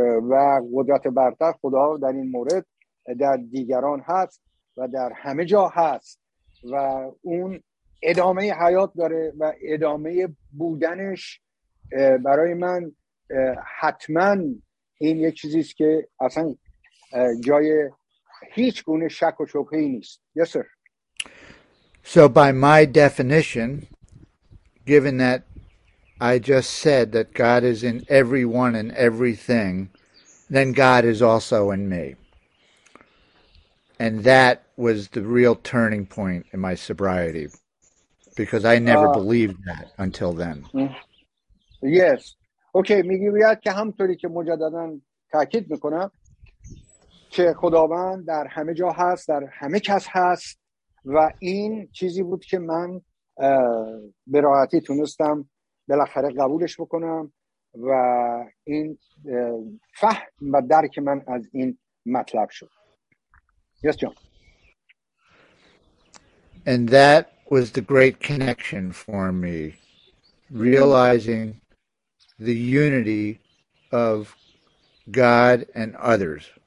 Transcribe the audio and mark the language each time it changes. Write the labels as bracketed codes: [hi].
[fa] و قدرت برتر خدا در این مورد در دیگران هست و در همه جا هست و اون ادامه حیات داره و ادامه بودنش برای من حتماً این یک چیزیست که اصلا جای هیچ گونه شک و شبهه‌ای نیست. [en] Yes, sir. So by my definition, given that I just said that God is in everyone and everything, then God is also in me. And that was the real turning point in my sobriety, because I never believed that until then. Yes. [fa] اوکی میگی بیاد که همطوری که مجددا تاکید میکنم که خداوند در همه جا هست، در همه کس هست و این چیزی بود که من به راحتی تونستم بالاخره قبولش بکنم و این فهم و درک من از این مطلب شد. [en] Yes, John. And that was the great connection for me, realizing the unity of God and others.